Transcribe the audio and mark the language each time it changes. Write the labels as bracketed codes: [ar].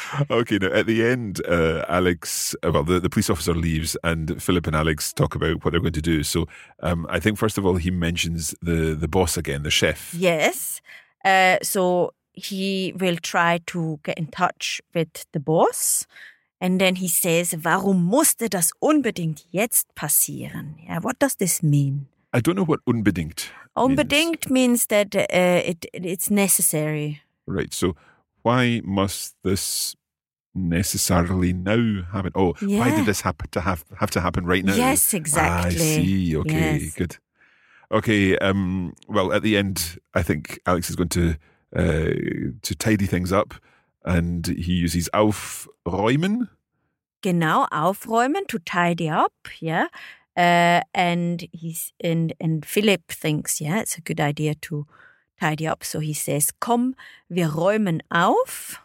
[en] Okay, now at the end, the police officer leaves and Philip and Alex talk about what they're going to do. So I think, first of all, he mentions the boss again, the chef. Yes. So he will try to get in touch with the boss. And then he says, [de] warum musste das unbedingt jetzt passieren? [en] Yeah, what does this mean? I don't know what unbedingt means. Unbedingt means that it's necessary. Right, so why must this necessarily now happen? Oh, yeah. Why did this have to happen right now? Yes, exactly. I see. Okay, yes. Good. Okay. Well, at the end, I think Alex is going to tidy things up, and he uses aufräumen. Genau, aufräumen, to tidy up. Yeah, and Philip thinks, yeah, it's a good idea to tidy up. So he says, [de] komm, wir räumen auf.